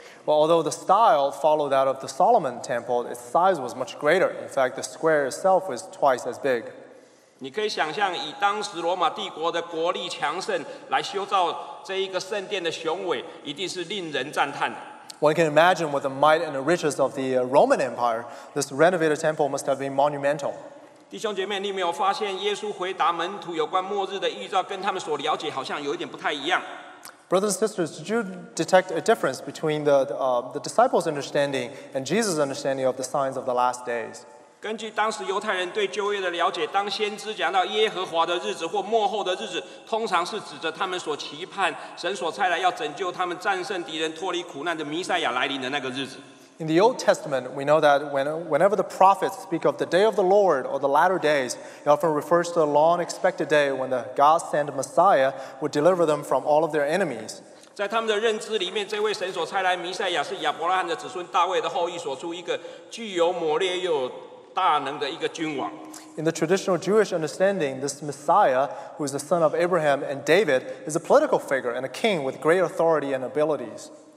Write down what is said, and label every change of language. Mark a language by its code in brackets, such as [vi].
[en] But although the style followed that of the Solomon temple, its size was much greater. In fact, the square itself was twice as big. [zh] 你可以想象，以当时罗马帝国的国力强盛来修造这一个圣殿的雄伟，一定是令人赞叹的。 [en] One can imagine with the might and the riches of the Roman Empire, this renovated temple must have been monumental. [zh] 弟兄姐妹，你没有发现耶稣回答门徒有关末日的预兆，跟他们所了解好像有一点不太一样。 [en] Brothers and sisters, did you detect a difference between the disciples' understanding and Jesus' understanding of the signs of the last days? [zh] 根据当时犹太人对旧约的了解，当先知讲到耶和华的日子或末后的日子，通常是指着他们所期盼神所差来要拯救他们战胜敌人、脱离苦难的弥赛亚来临的那个日子。 [en] In the Old Testament, we know that whenever the prophets speak of the day of the Lord or the latter days, it often refers to the long-expected day when the God-sent Messiah would deliver them from all of their enemies. [zh] 在他们的认知里面，这位神所差来弥赛亚是亚伯拉罕的子孙大卫的后裔所出一个具有谋略又有大能的一个君王。 [en] In the traditional Jewish understanding, this Messiah, who is the son of Abraham and David, is a political figure and a king with great authority and abilities.